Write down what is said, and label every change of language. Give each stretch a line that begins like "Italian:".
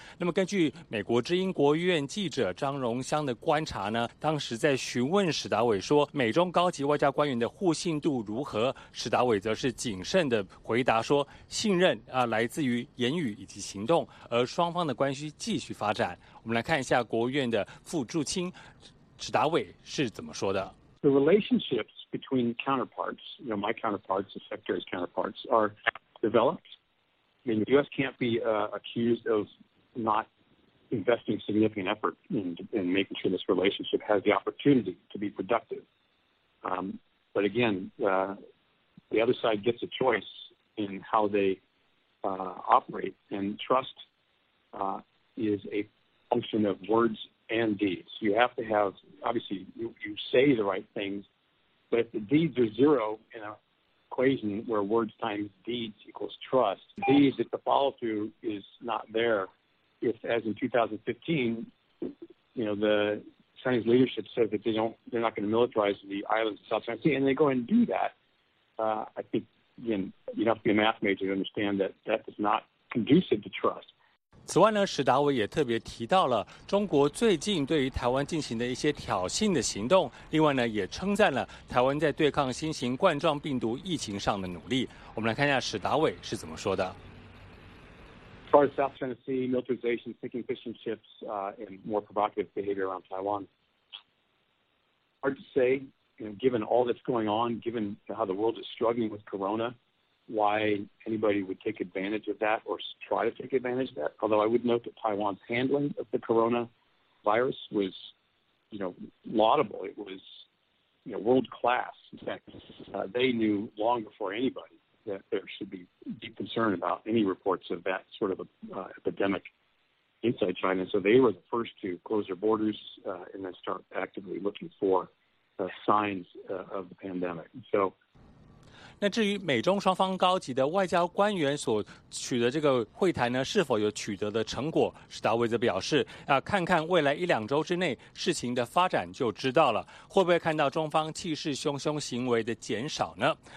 Chinese: 那么根据美国之音国务院记者张荣香的观察呢，当时在询问史达伟说美中高级外交官员的互信度如何，史达伟则是谨慎的回答说，信任啊来自于言语以及行动，而双方的关系继续发展。我们来看一下国务院的副助卿史达伟是怎么说的。
English: The relationshipBetween counterparts, you know, my counterparts, the Secretary's counterparts, are developed. I mean, the U.S. can't be accused of not investing significant effort in making sure this relationship has the opportunity to be productive. But again, the other side gets a choice in how they operate, and trust is a function of words and deeds. You have to have, obviously, you say the right things. But if the deeds are zero in an equation where words times deeds equals trust, deeds, if the follow-through is not there, if, as in 2015, you know, the Chinese leadership said that they're not going to militarize the islands of the South China Sea, and they go and do that, I think, again, you don't have to be a math major to understand that that is not conducive to trust.
Chinese: 此外呢，史达伟也特别提到了中国最近对于台湾进行的一些挑衅的行动，另外呢，也称赞了台湾在对抗新型冠状病毒疫情上的努力。我们来看一下史达伟是怎么说的。
English: As far as South China Sea militarization, sinking fishing ships, and more provocative behavior around Taiwan, hard to say. You know, given all that's going on, given how the world is struggling with Corona. Why anybody would take advantage of that or try to take advantage of that. Although I would note that Taiwan's handling of the coronavirus was, you know, laudable. It was, you know, world class. In fact, they knew long before anybody that there should be deep concern about any reports of that sort of epidemic inside China. So they were the first to close their borders and then start actively looking for signs of the pandemic. So,
Chinese: 那至于美中双方高级的外交官员所取得这个会谈呢，是否有取得的成果，史达伟则表示，要看看未来一两周之内事情的发展就知道了，会不会看到中方气势汹汹行为的减少呢？